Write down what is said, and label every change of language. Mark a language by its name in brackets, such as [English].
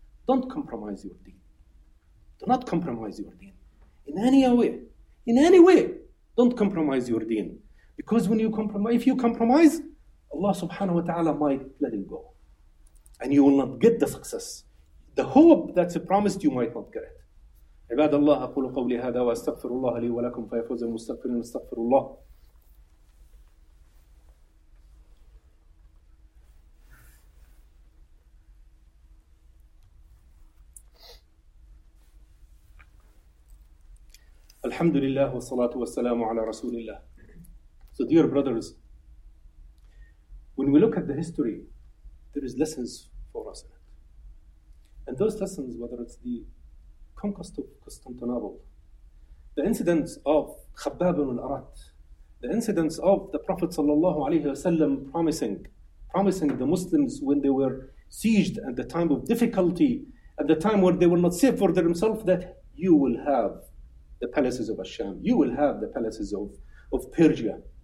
[English] Don't compromise your deen. Do not compromise your deen. In any way. In any way. Don't compromise your deen. Because when you compromise, if you compromise, Allah subhanahu wa ta'ala might let it go. And you will not get the success. The hope that's promised, you might not get it. [Arabic] عباد الله أقول قولي هذا وأستغفر الله لي ولكم فيفوز المستغفرين استغفر الله. الحمد لله والصلاة والسلام على رسول الله. [English] So dear brothers, when we look at the history, there is lessons for us in it. And those lessons, whether it's the conquest of Constantinople, the incidents of Khabbab ibn al-Arat, the incidents of the Prophet sallallahu alayhi wa sallam promising the Muslims when they were sieged at the time of difficulty, at the time where they were not safe for themselves, that you will have the palaces of Asham, you will have the palaces of Persia.